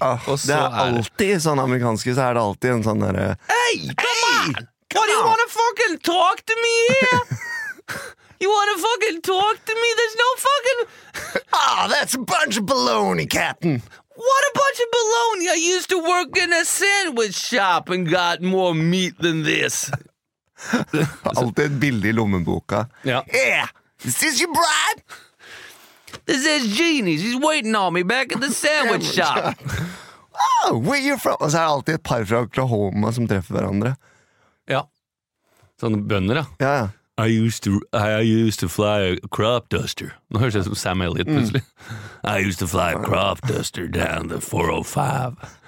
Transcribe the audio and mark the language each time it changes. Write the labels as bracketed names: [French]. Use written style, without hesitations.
[Norwegian] Så er det alltid en sånn der... [English] Hey, come on! What do you want to fucking talk to me here? You wanna fucking talk to me? There's no fucking... Ah, that's a bunch of baloney, Captain. What a bunch of baloney. I used to work in a sandwich shop and got more meat than this. [Norwegian] Altid et bilde i lommeboka. Ja. [English] Yeah. Is this your bride? This is genius. He's waiting on me back at the sandwich shop. Oh, where are you from? [Norwegian] Og så det alltid et par fra Oklahoma som treffer hverandre. Ja. Sånne bønner, ja. Ja, ja. [English] I used to fly a crop duster. [Norwegian] Nå høres det som Sam Elliott plutselig. [English] I used to fly a crop duster down the 405.